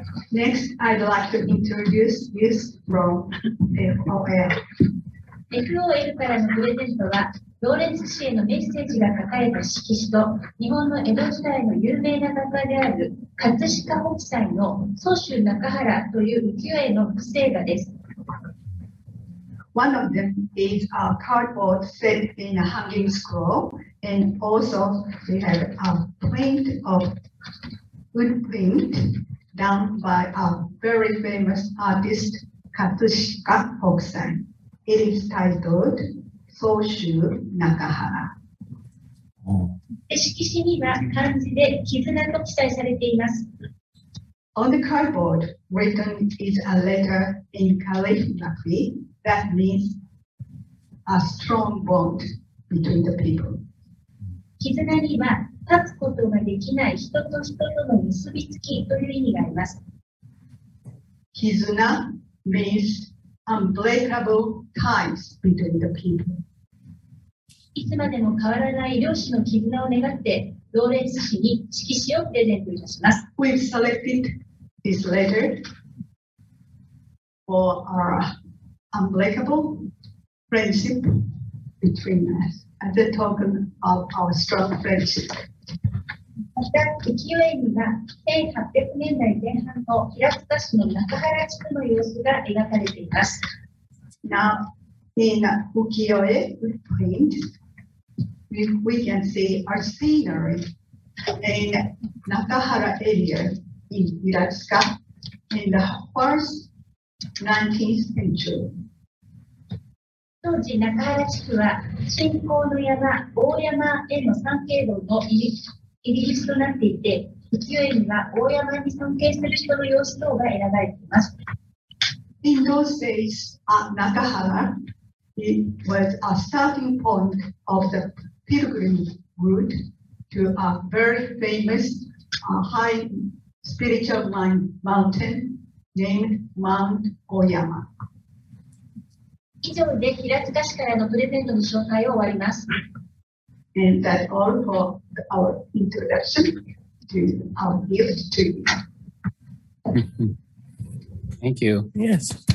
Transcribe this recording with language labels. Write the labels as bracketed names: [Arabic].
[English] Next, I'd like to introduce this from FOL. [Japanese] FOL からのプレゼントは、ローレンツ氏へのメッセージが書かれた色紙と、日本の江戸時代の有名な画家である葛飾北斎の蘇州中原という浮世絵の複製画です。 [English] One of them is a cardboard set in a hanging scroll, and also we have a print of wood print done by a very famous artist, Katsushika Hokusai. It is titled Soshu Nakahara. [Japanese] 色紙には漢字で絆と記載されています。 [English] On the cardboard, written is a letter in calligraphy. That means a strong bond between the people. [Japanese] 絆には断つことができない人と人との結びつきという意味があります。 [English] 絆 means unbreakable ties between the people. [Japanese] いつまでも変わらない両氏の絆を願って、ローレンス氏に色紙をプレゼントいたします。 [English] We've selected this letter for our... Unbreakable friendship between us as a token of our strong friendship. [Japanese] また、浮世絵には1800年代前半の平塚市の中原地区の様子が描かれています。 [English] Now, in 浮世絵 with print, we can see our scenery in 中原 area in 平塚 in the first 19th century. [Japanese] 当時中原地区は信仰の山大山への参詣道の入り口となっていて浮世絵には大山に尊敬する人の様子等が選ばれています。 [English] In those days, 中原 it was a starting point of the pilgrim route to a very famous high spiritual mountain named Mount 大山。 [Japanese] 以上で平塚市からのプレゼントの紹介を終わります。 [English] And that's all for our introduction to our gift to you. Thank you. Yes.